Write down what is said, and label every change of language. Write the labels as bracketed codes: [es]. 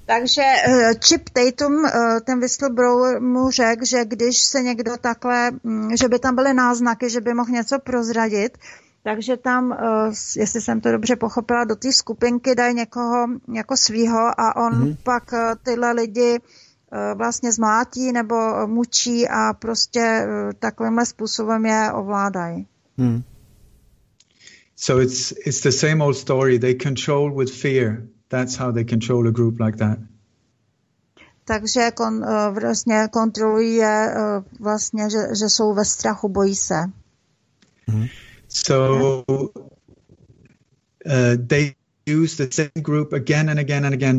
[cs] Takže Chip Tatum, ten whistleblower, mu řekl, že když se někdo takhle, že by tam byly náznaky, že by mohl něco prozradit, takže tam, jestli jsem to dobře pochopila, do té skupinky dají někoho jako svýho a on pak tyhle lidi vlastně zmlátí nebo mučí a prostě takovýmhle způsobem je ovládají. Mhm. [en] So it's the same old story. They control with fear. That's how they control a group like that. [cs] Takže vlastně kontrolují vlastně, že jsou ve strachu, bojí se. [en] So they use the same group again and again and again.